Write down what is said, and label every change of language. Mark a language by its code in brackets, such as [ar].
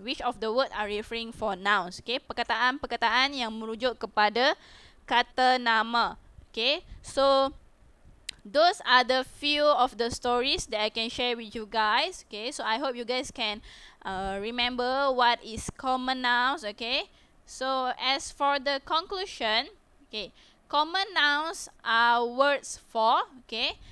[en] Which of the words are referring for nouns. [ms] Okay, perkataan-perkataan yang merujuk kepada kata nama. [en] Okay, so those are the few of the stories that I can share with you guys. Okay, so I hope you guys can remember what is common nouns. Okay, so as for the conclusion, okay, common nouns are words for, okay?